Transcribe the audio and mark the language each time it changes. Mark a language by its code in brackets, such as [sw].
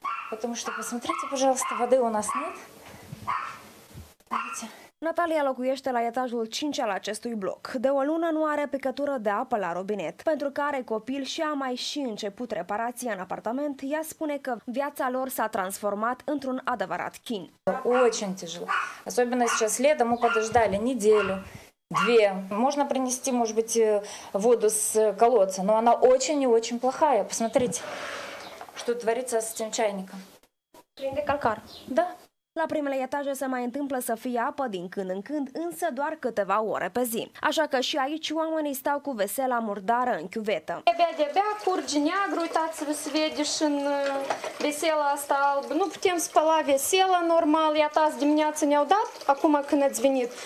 [ru] Потому что посмотрите, пожалуйста, воды у нас нет. Видите? [ro] Natalia locuiește la etajul 5 al acestui bloc. De o lună nu are picătură de apă la robinet. Pentru că are copil și a mai și început reparația în apartament, ea spune că viața lor s-a transformat într-un adevărat chin. [ru] Очень тяжело. Особенно сейчас летом, мы подождали неделю. Две. Можно принести, может быть, воду с колодца, но она очень и очень плохая. Посмотрите. Что творится с этим чайником? [ro] Prinde calcar. Da. La primele etaje se mai întâmplă să fie apă din când în când, însă doar câteva ore pe zi. Așa că și aici oamenii stau cu vesela murdară în chiuvetă. Abia de abia curge neagră, uitați-vă să vedeți în vesela asta albă. Nu putem spăla vesela normal, iată azi dimineață ne-au dat, acum când ați venit.